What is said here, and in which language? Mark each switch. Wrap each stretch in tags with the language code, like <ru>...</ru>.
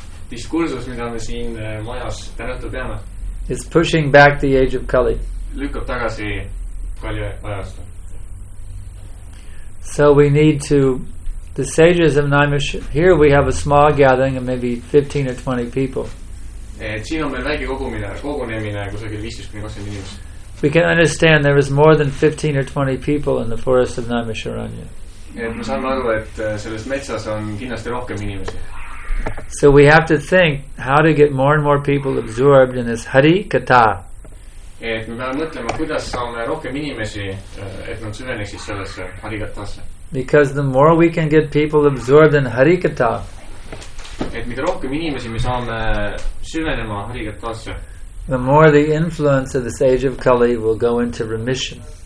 <et>diskursus, mida me siin majas tänatu peame,</et> <en>is pushing back the age of Kali.</en> <et>Lükkab tagasi Kali ajastu.</et> <en>So we need to, the sages of Naimish, here we have a small gathering of maybe 15 or 20 people.</en> <et>Siin on meil väike kogunemine, kusagil 15-20 inimesi.</et> <en>We can understand there is more than 15 or 20 people in the forest of Naimisharanya.</en> <et>Me saame aru, et selles metsas on kindlasti rohkem inimesi.</et> <en>So we have to think how to get more and more people absorbed in this Hari Katha. Because the more we can get people absorbed in Hari Katha, the more the influence of this age of Kali will go into remission.</en>